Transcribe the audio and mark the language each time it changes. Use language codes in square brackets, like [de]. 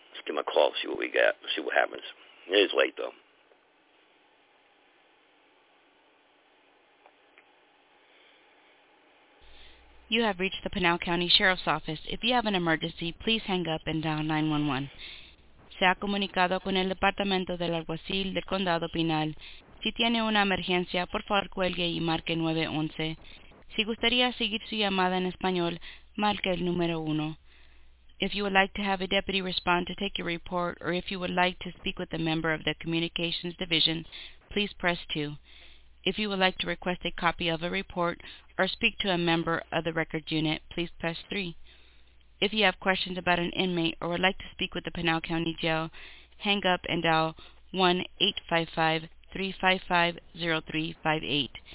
[en] Let's give them a call, see what we got, see what happens. It is late, though. You have reached the Pinal County Sheriff's Office. If you have an emergency, please hang up and dial 911. [es] Se ha comunicado con el Departamento del Alguacil del Condado Pinal. Si tiene una emergencia, por favor cuelgue y marque 911. Si gustaría seguir su llamada en español, marque el número 1. [en] If you would like to have a deputy respond to take your report, or if you would like to speak with a member of the Communications Division, please press 2. If you would like to request a copy of a report or speak to a member of the records unit, please press 3. If you have questions about an inmate or would like to speak with the Pinal County Jail, hang up and dial 1-855-355-0358.